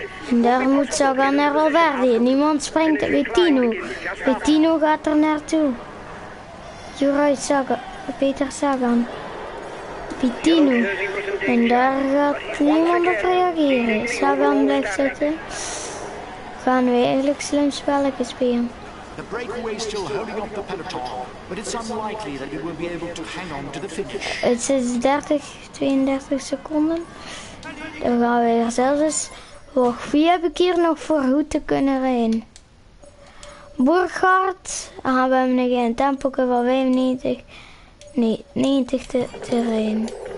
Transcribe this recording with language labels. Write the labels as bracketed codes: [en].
[nl] En daar moet Sagan naar Valverde. Niemand springt. Bettino. Bettino gaat er naartoe. Juraj Sagan. Peter Sagan. Bettino. En daar gaat niemand op reageren. Sagan blijft zitten. Gaan we eigenlijk slim spelletjes spelen. [en] The breakaway is still holding off the peloton, but it's unlikely that it will be able to hang on to the finish. [nl] Het is 30, 32 seconden. Dan gaan we er zelfs eens. Wacht, wie heb ik hier nog voor goed te kunnen rijden? Burkhardt. Ah, we hebben nog geen tempo van 95. Nee, 90 te rijden.